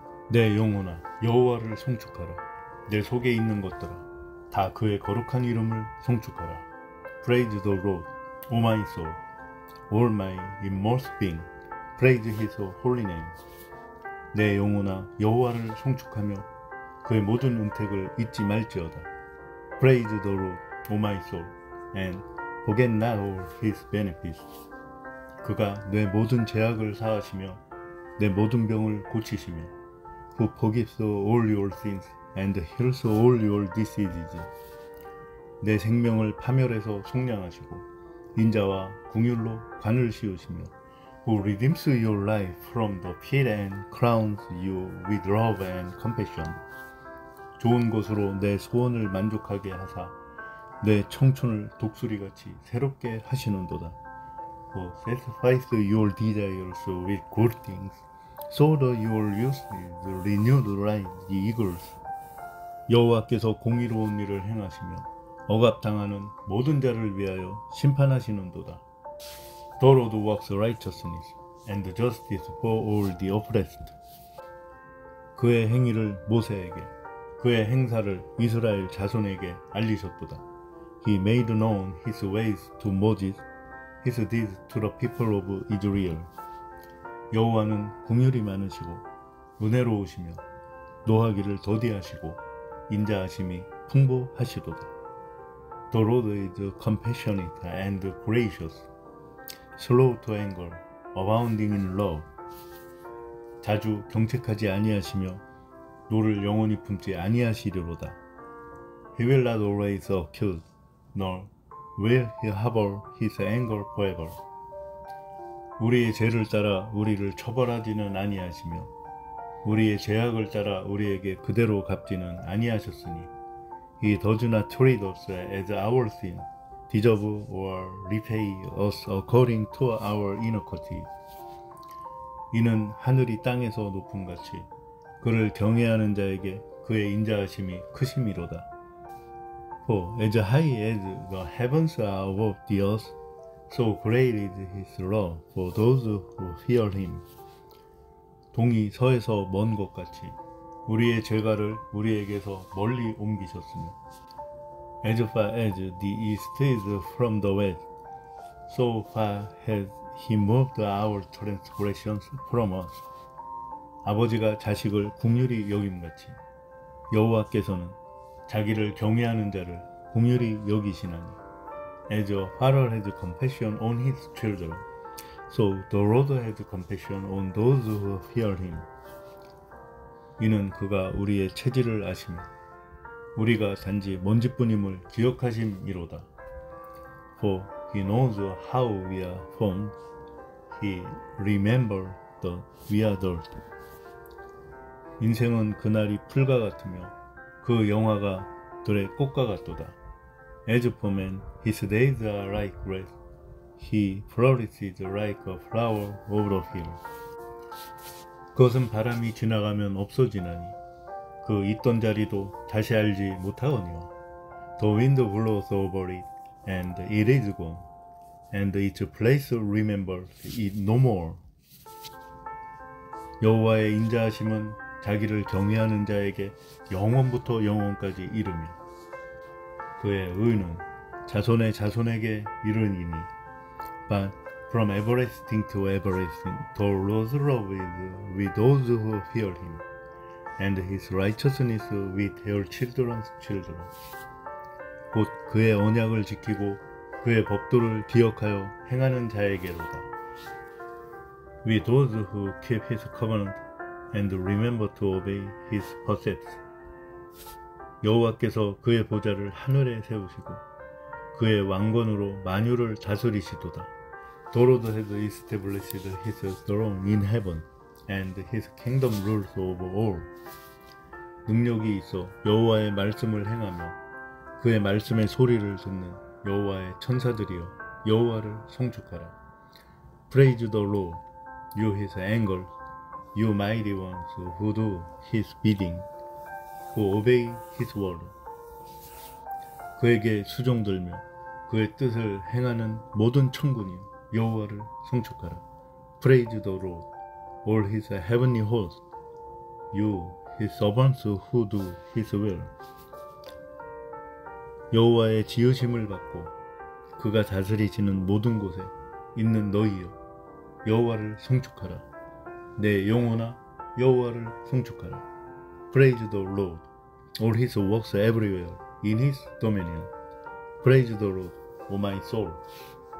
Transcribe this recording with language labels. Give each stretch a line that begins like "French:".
Korean: 내 영혼아 여호와를 송축하라. 내 속에 있는 것들아 다 그의 거룩한 이름을 송축하라.
English: Praise the Lord, O my soul. All my inmost being, praise his holy name.
Korean: 내 영혼아 여호와를 송축하며 그의 모든 은택을 잊지 말지어다.
English: Praise the Lord, O my soul, and forget not all his benefits.
Korean: 그가 내 모든 죄악을 사하시며 내 모든 병을 고치시며
English: who forgives all your sins and heals all your diseases.
Korean: 내 생명을 파멸에서 속량하시고 인자와 궁휼로 관을 씌우시며
English: who redeems your life from the pit and crowns you with love and compassion.
Korean: 좋은 것으로 내 소원을 만족하게 하사 내 청춘을 독수리같이 새롭게 하시는도다.
English: For satisfies your desires with good things, so that your youth is renewed like the eagles.
Korean: 여호와께서 공의로운 일을 행하시며 억압당하는 모든 자를 위하여 심판하시는도다.
English: The Lord works righteousness and justice for all the oppressed.
Korean: 그의 행위를 모세에게, 그의 행사를 이스라엘 자손에게 알리셨도다.
English: He made known his ways to Moses. His deeds to the people of Israel.
Korean: 여호와는 긍휼이 많으시고 은혜로우시며 노하기를 더디하시고 인자하심이 풍부하시도다.
English: The Lord is compassionate and gracious, slow to anger, abounding in love.
Korean: 자주 경책하지 아니하시며 노를 영원히 품지 아니하시리로다.
English: He will not always accuse, nor Will he harbor his anger forever?
Korean: 우리의 죄를 따라 우리를 처벌하지는 아니하시며 우리의 죄악을 따라 우리에게 그대로 갚지는 아니하셨으니
English: He does not treat us as our sin, deserve or repay us according to our iniquity.
Korean: 이는 하늘이 땅에서 높음 같이 그를 경외하는 자에게 그의 인자하심이 크심이로다.
English: As high as the heavens are above the earth, so great is his love for those who fear him.
Korean: 동이 서에서 먼 것 같이 우리의 죄가를 우리에게서 멀리 옮기셨으며
English: As far as the east is from the west, so far has he moved our transgressions from us.
Korean: 아버지가 자식을 긍휼히 여김 같이 여호와께서는 자기를 경외하는 자를 긍휼히 여기시나니
English: As a father has compassion on his children, so the Lord has compassion on those who fear him.
Korean: 이는 그가 우리의 체질을 아시며 우리가 단지 먼지뿐임을 기억하심이로다.
English: For he knows how we are formed, he remembers that we are dust.
Korean: 인생은 그날이 풀과 같으며 그 영화가 들의 꽃과 같도다.
English: As for man, his days are like grass. He flourishes like a flower of the field.
Korean: 그것은 바람이 지나가면 없어지나니 그 있던 자리도 다시 알지 못하거니와
English: The wind blows over it, and it is gone, and its place remembers it no more.
Korean: 여호와의 인자하심은 자기를 경외하는 자에게 영원부터 영원까지 이르며 그의 의는 자손의 자손에게 이르니니
English: But from everlasting to everlasting the Lord's love is with those who fear him and his righteousness with their children's children.
Korean: 곧 그의 언약을 지키고 그의 법도를 기억하여 행하는 자에게로다.
English: With those who keep his covenant and remember to obey his precepts.
Korean: 여호와께서 그의 보좌를 하늘에 세우시고 그의 왕권으로 만유를 다스리시도다.
English: The Lord has established his throne in heaven and his kingdom rules over all.
Korean: 능력이 있어 여호와의 말씀을 행하며 그의 말씀의 소리를 듣는 여호와의 천사들이여 여호와를 송축하라.
English: Praise the Lord, you his angels, you mighty ones who do his bidding, who obey his word.
Korean: 그에게 수종 들며 그의 뜻을 행하는 모든 천군이요 여호와를 송축하라.
English: Praise the Lord, all his heavenly host, you his servants who do his will.
Korean: 여호와의 지으심을 받고 그가 다스리시는 모든 곳에 있는 너희여, 여호와를 송축하라. 내 영혼아, 여호와를 송축하라.
English: Praise the Lord, all his works everywhere in his dominion. Praise the Lord, O my soul.